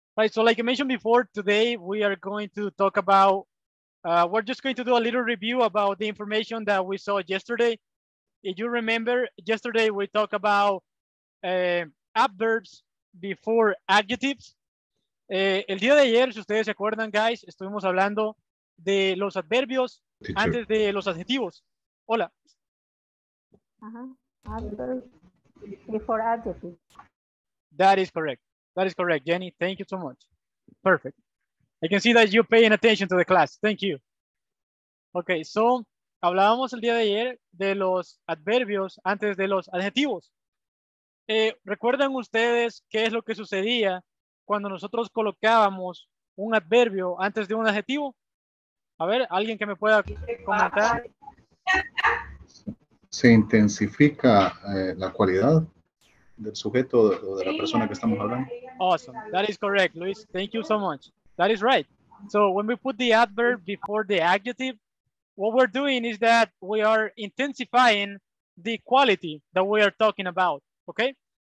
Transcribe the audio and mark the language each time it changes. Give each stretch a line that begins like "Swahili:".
English: So like I mentioned before, today we are going to talk about, we're just going to do a little review about the information that we saw yesterday. If you remember, yesterday we talked about adverbs before adjectives.
Spanish: El día de ayer, si ustedes se acuerdan, guys, estuvimos hablando de los adverbios antes de los adjetivos. Hola.
English: Adverbs before adjectives. That is correct. That is correct, Jenny. Thank you so much. Perfect. I can see that you're paying attention to the class. Thank you. Okay, so
Spanish: hablábamos el día de ayer de los adverbios antes de los adjetivos. ¿Recuerdan ustedes qué es lo que sucedía cuando nosotros colocábamos un adverbio antes de un adjetivo? A ver, alguien que me pueda comentar. Se intensifica la cualidad del sujeto o de la persona que estamos hablando.
English: Awesome. That is correct, Luis. Thank you so much. That is right. So when we put the adverb before the adjective, what we're doing is that we are intensifying the quality that we are talking about, okay?